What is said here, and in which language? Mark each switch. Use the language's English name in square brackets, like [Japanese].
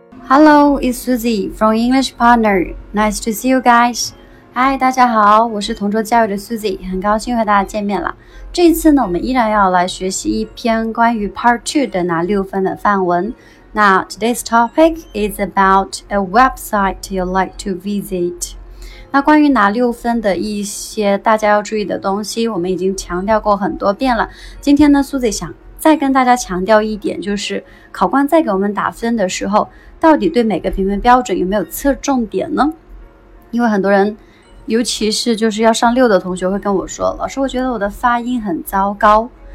[English] Hello, it's Susie from English Partner. Nice to see you guys. Hi, [Chinese] 大家好，我是同桌教育的 Susie， 很高兴和大家见面了。这次呢，我们依然要来学习一篇关于 Part 2的那六分的范文。那 [English] today's topic is about a website you like to visit。 [Chinese] 那关于拿六分的一些大家要注意的东西，我们已经强调过很多遍了。今天呢 ，Susie 想再跟大家强调一点，就是考官在给我们打分的时候，到底对每个评分标准有没有侧重点呢？因为很多人，尤其是就是要上六的同学会跟我说，老师，我觉得我的发音很糟糕。